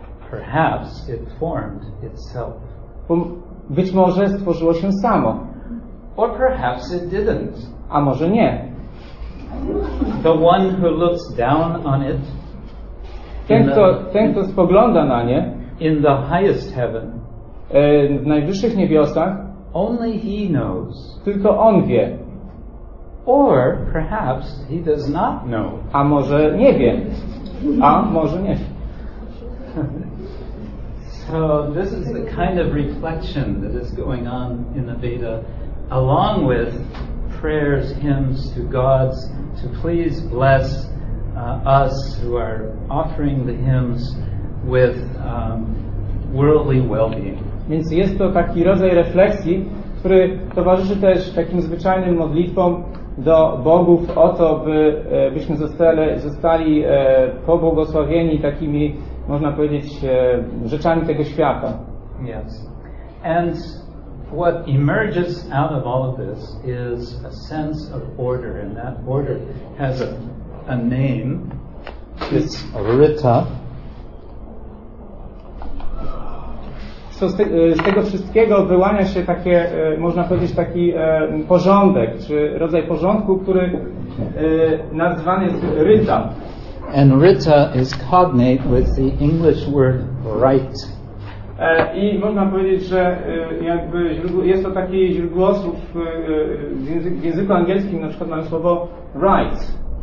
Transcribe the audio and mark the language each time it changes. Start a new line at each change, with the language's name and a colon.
English: Perhaps it formed itself.
Polish: Być może stworzyło się samo.
English: Or perhaps it didn't.
Polish: A może nie.
English: The one who looks down on it.
Polish: Ten, kto spogląda na nie.
English: In the highest heaven.
Polish: W najwyższych niebiosach.
English: Only he knows.
Polish: Tylko on wie.
English: Or perhaps he does not know.
Polish: A może nie wie. A może nie.
English: So this is the kind of reflection that is going on in the Veda, along with prayers, hymns to gods to please bless us who are offering the hymns with worldly well-being.
Polish: Więc jest to taki rodzaj refleksji, który towarzyszy też takim zwyczajnym modlitwom do bogów o to, byśmy zostali pobłogosławieni takimi, można powiedzieć, rzeczami tego świata.
English: Yes. And what emerges out of all of this is a sense of order, and that order has a name. It's Rita.
Polish: So z tego wszystkiego wyłania się takie, można powiedzieć, taki porządek, czy rodzaj porządku, który nazwany jest Rita.
English: And Rita is cognate with the English word right.
Polish: I można powiedzieć, że jakby jest to taki źródłosłów w języku angielskim, na przykład mamy słowo right.